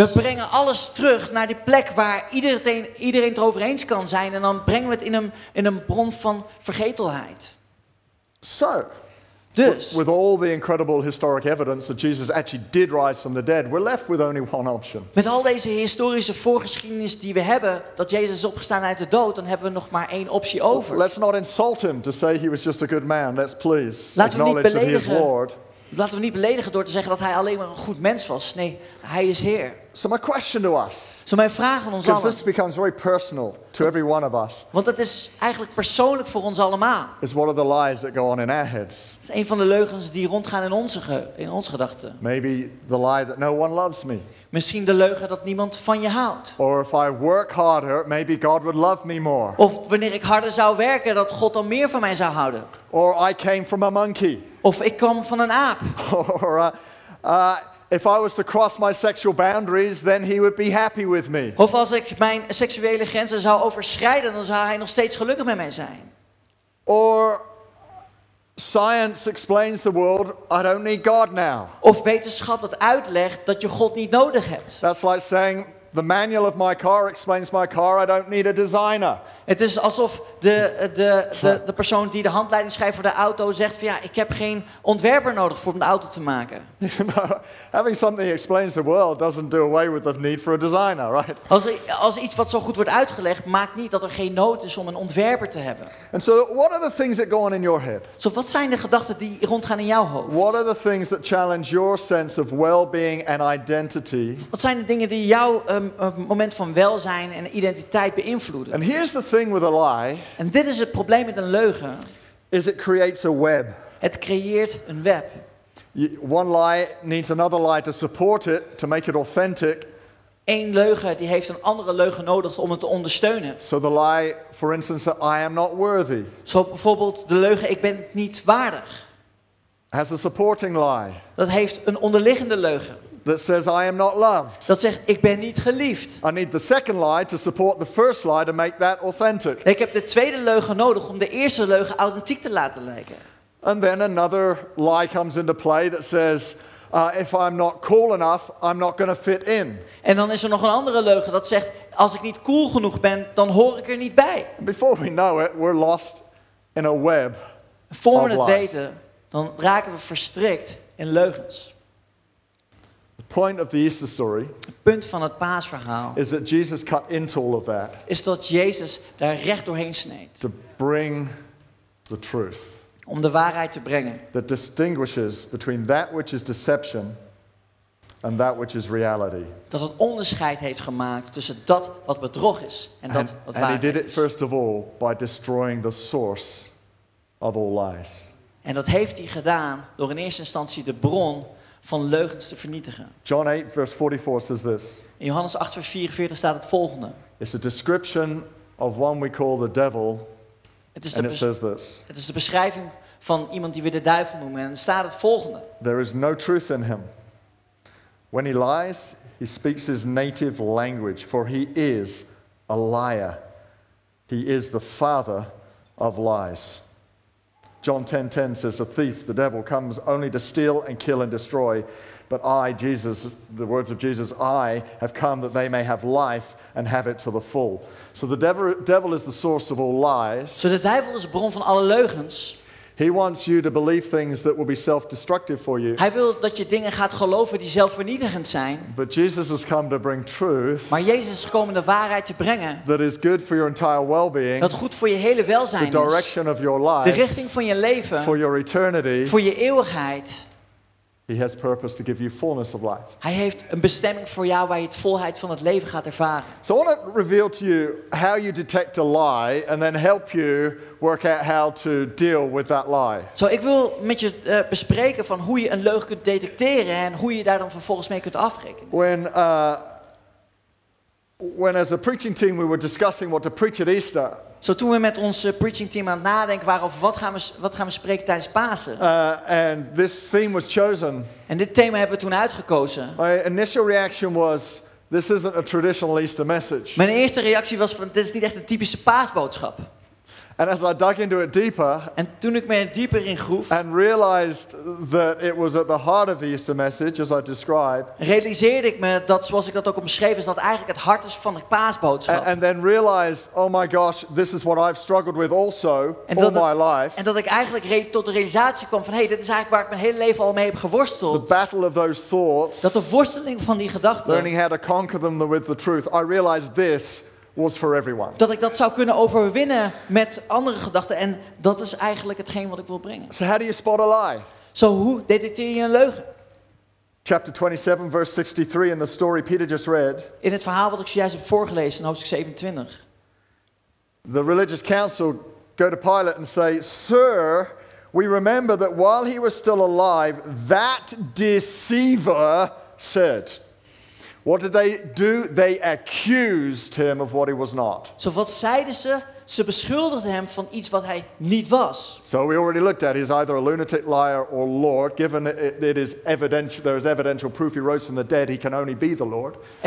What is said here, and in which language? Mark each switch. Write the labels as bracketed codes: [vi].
[nl] We brengen alles terug naar die plek waar iedereen het over eens kan zijn, en dan brengen we het in een bron van vergetelheid. [en] So, [nl] dus, [en] with all the incredible historic evidence that Jesus actually did rise from the dead, we're left with only one option. [nl] Met al deze historische voorgeschiedenis die we hebben, dat Jezus is opgestaan uit de dood, dan hebben we nog maar één optie over. [en] Let's not insult him to say he was just a good man. Let's please acknowledge that he is Lord. [nl] Laten we niet beledigen door te zeggen dat hij alleen maar een goed mens was. Nee, hij is Heer. [en] So my question to us. [nl] So mijn vraag aan ons allen. [en] Because this becomes very personal to every one of us. [nl] Want dat is eigenlijk persoonlijk voor ons allemaal. [en] Is one of the lies that go on in our heads. [nl] Het is een van de leugens die rondgaan in onze gedachten. [en] Maybe the lie that no one loves me. [nl] Misschien de leugen dat niemand van je houdt. [en] Or if I work harder, maybe God would love me more. [nl] Of wanneer ik harder zou werken, dat God dan meer van mij zou houden. [en] Or I came from a monkey. [nl] Of ik kom van een aap. [en] Or if I was to cross my sexual boundaries, then he would be happy with me. [nl] Of als ik mijn seksuele grenzen zou overschrijden, dan zou hij nog steeds gelukkig met mij zijn. [en] Or science explains the world, I don't need God now. [nl] Of wetenschap dat uitlegt dat je God niet nodig hebt. [en] That's like saying the manual of my car explains my car, I don't need a designer. [nl] Het is alsof de persoon die de handleiding schrijft voor de auto zegt van ja, ik heb geen ontwerper nodig voor een auto te maken. [en] Having something that explains the world doesn't do away with the need for a designer, right? [nl] Als iets wat zo goed wordt uitgelegd, maakt niet dat er geen nood is om een ontwerper te hebben. [en] And so what are the things that go on in your head? [nl] So wat zijn de gedachten die rondgaan in jouw hoofd? [en] What are the things that challenge your sense of well-being and identity? [nl] Wat zijn de dingen die jouw moment van welzijn en identiteit beïnvloeden? [en] And here's the thing with a lie. [nl] En dit is het probleem met een leugen. [en] Is it creates a web. [nl] Het creëert een web. [en] One lie needs another lie to support it, to make it authentic. [nl] Eén leugen die heeft een andere leugen nodig om het te ondersteunen. [en] So the lie, for instance, that I am not worthy. [nl] Zo bijvoorbeeld de leugen ik ben niet waardig. [en] Has a supporting lie. [nl] Dat heeft een onderliggende leugen. [en] That says I am not loved. [nl] Dat zegt ik ben niet geliefd. [en] I need the second lie to support the first lie to make that authentic. [nl] Ik heb de tweede leugen nodig om de eerste leugen authentiek te laten lijken. [en] And then another lie comes into play that says if I'm not cool enough, I'm not going to fit in. [nl] En dan is er nog een andere leugen dat zegt als ik niet cool genoeg ben, dan hoor ik er niet bij. [en] Before we know it, we're lost in a web. [nl] Voor we het weten, dan raken we verstrikt in leugens. [en] Point of the Easter story. [nl] Het punt van het paasverhaal [en] is that Jesus cut into all of that. [nl] Is dat Jezus daar recht doorheen sneed. [en] To bring the truth. [nl] Om de waarheid te brengen. [en] That distinguishes between that which is deception and that which is reality. [nl] Dat het onderscheid heeft gemaakt tussen dat wat bedrog is en dat wat waarheid is. [en] And he did it first of all by destroying the source of all lies. [nl] En dat heeft hij gedaan door in eerste instantie de bron van leugens te vernietigen. [en] John 8, verse 44 says this. [nl] In Johannes 8, vers 44 staat het volgende. [en] It's a description of one we call the devil. [nl] Het is de beschrijving van iemand die we de duivel noemen. En staat het volgende. [en] There is no truth in him. When he lies, he speaks his native language. For he is a liar. He is the father of lies. John 10:10 says, a thief, the devil, comes only to steal and kill and destroy. But I, Jesus, the words of Jesus, I have come that they may have life and have it to the full. So the devil is the source of all lies. [nl] So de duivel is de bron van alle leugens. [en] He wants you to believe things that will be self-destructive for you. [nl] Hij wil dat je dingen gaat geloven die zelfvernietigend zijn. [en] But Jesus has come to bring truth. [nl] Maar Jezus is gekomen de waarheid te brengen. [en] That is good for your entire well-being. [nl] Dat goed voor je hele welzijn is. [en] The direction of your life. [nl] De richting van je leven. [en] For your eternity. [nl] Voor je eeuwigheid. [en] He has purpose to give you fullness of life. [nl] Hij heeft een bestemming voor jou waar je het volheid van het leven gaat ervaren. [en] So I want to reveal to you how you detect a lie and then help you work out how to deal with that lie. [nl] So ik wil met je bespreken van hoe je een leugen kunt detecteren en hoe je daar dan vervolgens mee kunt afrekenen. [en] When as a preaching team we were discussing what to preach at Easter. [nl] Zo toen we met ons preaching team aan het nadenken waren over wat gaan we spreken tijdens Pasen. [en] And this theme was chosen. [nl] En dit thema hebben we toen uitgekozen. [en] My initial reaction was, this isn't a traditional Easter message. [nl] Mijn eerste reactie was van, dit is niet echt een typische paasboodschap. [en] And as I dug into it deeper, [nl] en toen ik me dieper in groef, [en] and realized that it was at the heart of the Easter message, as I described, [nl] realiseerde ik me dat, zoals ik dat ook omschreef, is dat eigenlijk het hart is van de paasboodschap. [en] And then realized, oh my gosh, this is what I've struggled with also all my life. [nl] En dat ik eigenlijk tot de realisatie kwam van, hey, dit is eigenlijk waar ik mijn hele leven al mee heb geworsteld. [en] The battle of those thoughts. [nl] Dat de worsteling van die gedachten. [en] Learning how to conquer them with the truth. I realized this. Was for everyone. [nl] Dat ik dat zou kunnen overwinnen met andere gedachten. En dat is eigenlijk hetgeen wat ik wil brengen. [en] So how do you spot a lie? [nl] So hoe detecteer je een leugen? [en] Chapter 27, verse 63 in the story Peter just read. [nl] In het verhaal wat ik zojuist heb voorgelezen in hoofdstuk 27. [en] The religious council go to Pilate and say, Sir, we remember that while he was still alive, that deceiver said... What did they do? They accused him of what he was not. [nl] So wat zeiden ze? Ze beschuldigden hem van iets wat hij niet was. [en] So we already looked at he's either a lunatic liar or Lord. Given it is evident, there is evidential proof he rose from the dead, he can only be the Lord.